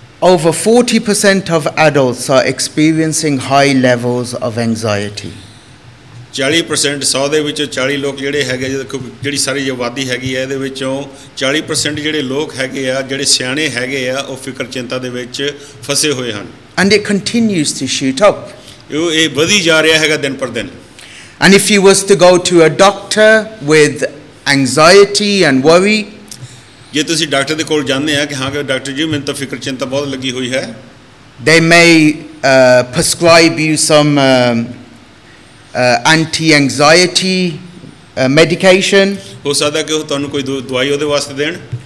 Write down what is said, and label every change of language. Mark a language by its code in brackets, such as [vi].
[en] Over 40% of adults are experiencing high levels of anxiety. [pa] 40% 100 ਦੇ ਵਿੱਚੋਂ 40 ਲੋਕ ਜਿਹੜੇ ਹੈਗੇ, ਜਿਹੜੀ ਸਾਰੀ ਆਬਾਦੀ ਹੈਗੀ ਹੈ ਇਹਦੇ ਵਿੱਚੋਂ 40% ਜਿਹੜੇ ਲੋਕ ਹੈਗੇ ਆ, ਜਿਹੜੇ ਸਿਆਣੇ ਹੈਗੇ ਆ, ਉਹ ਫਿਕਰ ਚਿੰਤਾ ਦੇ ਵਿੱਚ ਫਸੇ ਹੋਏ ਹਨ. [en] And it continues to shoot up. [pa] ਇਹ ਵਧੀ ਜਾ ਰਿਹਾ ਹੈਗਾ ਦਿਨ ਪਰ ਦਿਨ. [en] And if you was to go to a doctor with anxiety and worry, [pa] ਜੇ ਤੁਸੀਂ ਡਾਕਟਰ ਦੇ ਕੋਲ ਜਾਂਦੇ ਆ ਕਿ ਹਾਂ ਕਿ ਡਾਕਟਰ ਜੀ ਮੈਨੂੰ ਤਾਂ ਫਿਕਰ ਚਿੰਤਾ ਬਹੁਤ ਲੱਗੀ ਹੋਈ ਹੈ, [en] they may prescribe you some anti anxiety medication, [pa] ਹੋ ਸਕਦਾ ਕਿ ਉਹ ਤੁਹਾਨੂੰ ਕੋਈ ਦਵਾਈ ਉਹਦੇ ਵਾਸਤੇ ਦੇਣ,